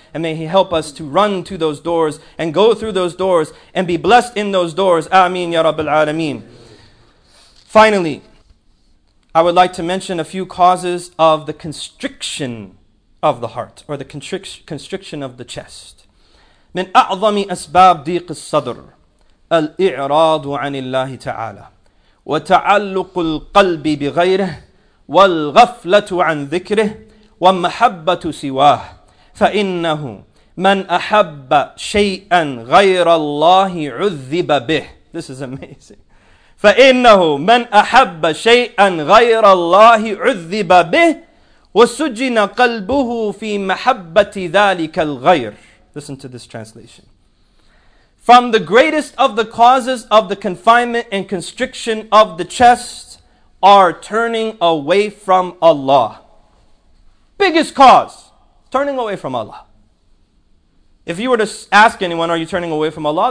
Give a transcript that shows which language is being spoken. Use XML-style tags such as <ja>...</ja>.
<en>And may He help us to run to those doors and go through those doors and be blessed in those doors. Ameen ya Rabbil Alameen. Finally, I would like to mention a few causes of the constriction of the heart or the constriction of the chest.</en> <ar>من أعظم أسباب ضيق الصدر الإعراض عن الله تعالى وتعلق القلب بغيره والغفلة عن ذكره ومحبة سواه فإنه من أحب شيئا غير الله عذب به.</ar> <en>This is amazing.</en> <ar>فإنه من أحب شيئا غير الله عذب به وسجن قلبه في محبة ذلك الغير.</ar> <en>Listen to this translation. From the greatest of the causes of the confinement and constriction of the chest are turning away from Allah. Biggest cause, turning away from Allah. If you were to ask anyone, are you turning away from Allah?</en>